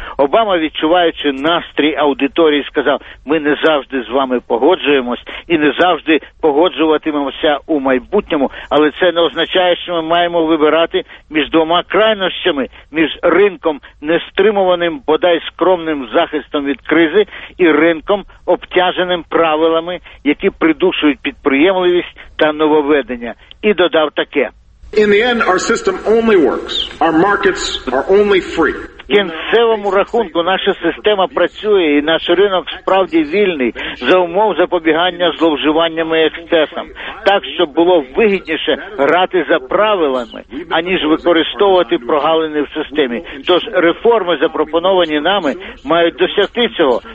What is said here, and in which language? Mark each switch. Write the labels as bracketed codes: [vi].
[uk] Обама, відчуваючи настрій аудиторії, сказав: ми не завжди з вами погоджуємось і не завжди погоджуватимемося у майбутньому, але це не означає, що ми маємо вибирати між двома крайнощами, між ринком нестримуваним, бодай скромним захистом від кризи і ринком обтяженим правилами, які придушують підприємливість та нововведення. І додав таке: [en] in the end, our system only works. Our markets are only free. [uk] В кінцевому рахунку наша система працює і наш ринок справді вільний за умов запобігання зловживаннями і ексцесам. Так, щоб було вигідніше грати за правилами, аніж використовувати прогалини в системі. Тож реформи, запропоновані нами, мають досягти цього.